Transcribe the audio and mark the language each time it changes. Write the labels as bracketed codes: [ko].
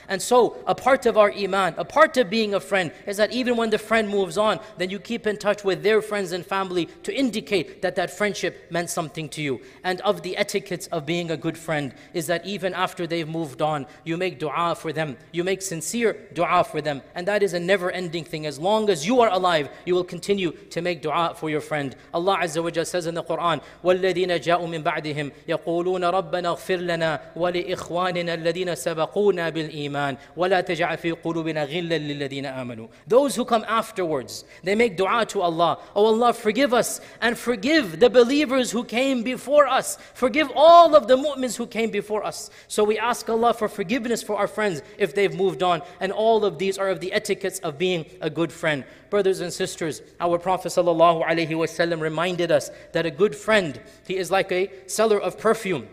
[en] And so, a part of our Iman, a part of being a friend, is that even when the friend moves on, then you keep in touch with their friends and family to indicate that that friendship meant something to you. And of the etiquettes of being a good friend, is that even after they've moved on, you make dua for them. You make sincere dua for them. And that is a never-ending thing. As long as you are alive, you will continue to make dua for your friend. Allah Azza wa Jalla says in the Quran, [ar] وَالَّذِينَ جَاءُوا مِن بَعْدِهِمْ يَقُولُونَ رَبَّنَا اغْفِرْ لَنَا وَلِإِخْوَانِنَا الَّذِينَ سَبَقُونَا بِالْإِيمَانِ وَلَا تَجْعَلْ فِي قُلُوبِنَا غِلًّا لِلَّذِينَ آمَنُوا. [en] Those who come afterwards, they make dua to Allah. Oh Allah, forgive us and forgive the believers who came before us. Forgive all of the mu'mins who came before us. So we ask Allah for forgiveness for our friends if they've moved on. And all of these are of the etiquettes of being a good friend. Brothers and sisters, our Prophet sallallahu alaihi wasallam reminded us that a good friend, he is like a seller of perfume.